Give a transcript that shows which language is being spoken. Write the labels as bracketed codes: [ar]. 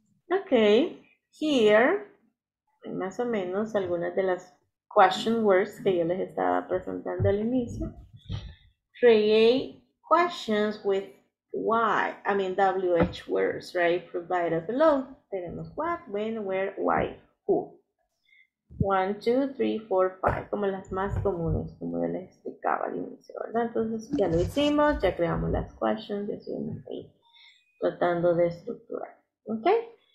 [en] Okay, here, [es] más o menos, algunas de las question words que yo les estaba presentando al inicio. [en] Create questions with why, I mean WH words, right? Provide us below. Tenemos what, when, where, why, who. [es] 1, 2, 3, 4, 5, como las más comunes, como yo les explicaba al inicio, ¿verdad? Entonces, ya lo hicimos, ya creamos las questions, ya estuvimos ahí tratando de estructurar, okay.